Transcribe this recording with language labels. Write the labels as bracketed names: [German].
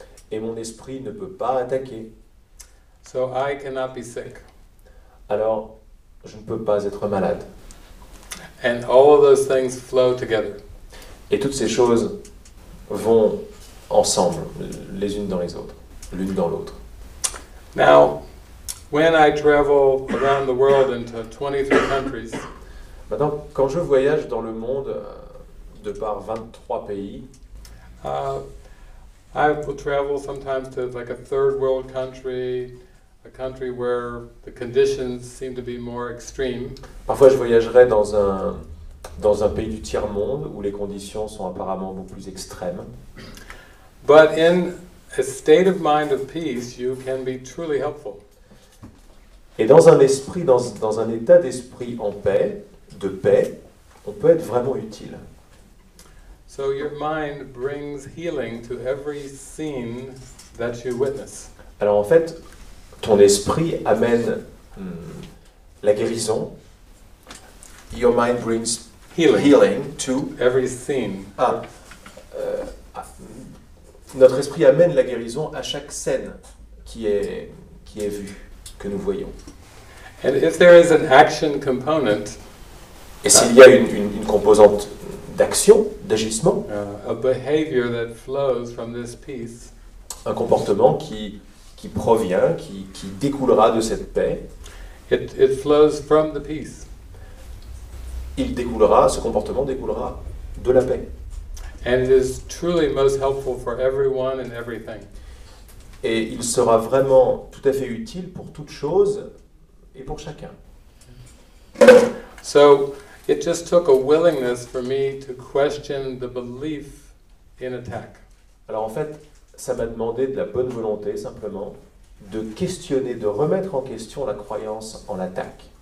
[French] Et mon esprit ne peut pas attaquer. [English] So, I cannot be sick. [French] Alors, je ne peux pas être malade. [English] And all of those things flow together. [French] Et toutes ces choses vont ensemble, les unes dans les autres, l'une dans l'autre. [English] Now, when I travel around the world into 23 countries, [French] maintenant, quand je voyage dans le monde de par 23 pays, [English] I will travel sometimes to like a third world country, a country where the conditions seem to be more extreme. [French] Parfois, je voyagerai dans un pays du tiers monde où les conditions sont apparemment beaucoup plus extrêmes. [English] But in a state of mind of peace, you can be truly helpful. [French] Et dans un esprit, dans un état d'esprit en paix, de paix, on peut être vraiment utile. [English] So your mind brings healing to every scene that you witness. [French] Alors en fait, ton esprit amène la guérison. [English] Your mind brings healing to every scene. [French] Notre esprit amène la guérison à chaque scène qui est vue, que nous voyons. [English] And if there is an action component, [French] et s'il y a une composante d'action, d'agissement, [English] a behavior that flows from this peace, [French] un comportement qui provient, qui découlera de cette paix, [English] it flows from the peace. [French] Il découlera, ce comportement découlera de la paix. [English] And it is truly most helpful for everyone and everything. [French] Et il sera vraiment tout à fait utile pour toute chose et pour chacun. [English] So, it just took a willingness for me to question the belief in attack. [French] Alors en fait, ça m'a demandé de la bonne volonté simplement de questionner, de remettre en question la croyance en l'attaque.